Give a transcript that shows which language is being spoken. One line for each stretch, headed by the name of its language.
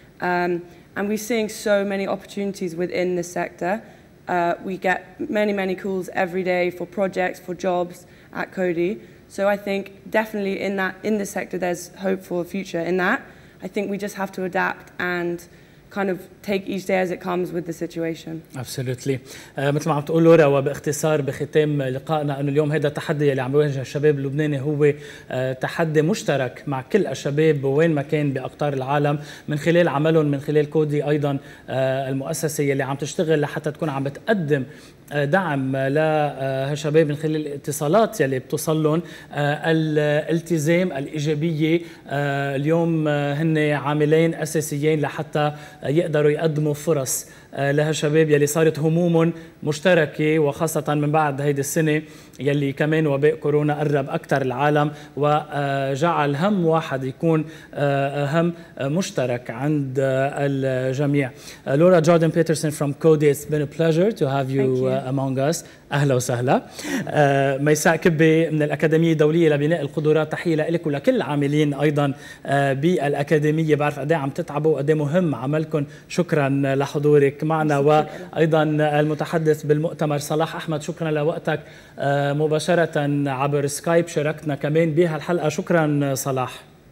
English: And we're seeing so many opportunities within the sector. We get many, many calls every day for projects, for jobs at Cody. So I think definitely in that, in the sector, there's hope for a future in that. I think we just have to adapt and kind of take each day as it comes with the situation. Absolutely.
Arabic: مثل ما عم تقول لورا وباختصار بختام لقائنا انه اليوم هذا التحدي اللي عم بيواجه الشباب اللبناني هو تحدي مشترك مع كل الشباب وين ما كان باقطار العالم من خلال عملهم من خلال كودي ايضا المؤسسه اللي عم تشتغل لحتى تكون عم بتقدم دعم لهالشباب من خلال الاتصالات يلي بتوصل لهم الالتزام الإيجابية اليوم هن عاملين أساسيين لحتى يقدروا يقدموا فرص لهالشباب يلي صارت همومهم مشتركة وخاصة من بعد هيدي السنة يلي كمان وباء كورونا قرب أكثر العالم وجعل هم واحد يكون هم مشترك عند الجميع.
English: Laura Jordan Peterson from Cody, it's been a pleasure to have you, among us.
Arabic: أهلا وسهلا. ميساء كبي من الأكاديمية الدولية لبناء القدرات، تحية لك ولكل العاملين أيضا بالأكاديمية، بعرف قد عم تتعبوا وقد مهم عملكم، شكرا لحضورك معنا. وأيضا المتحدث بالمؤتمر صلاح أحمد، شكرا لوقتك مباشرة عبر سكايب شاركتنا كمان بها الحلقة، شكرا صلاح.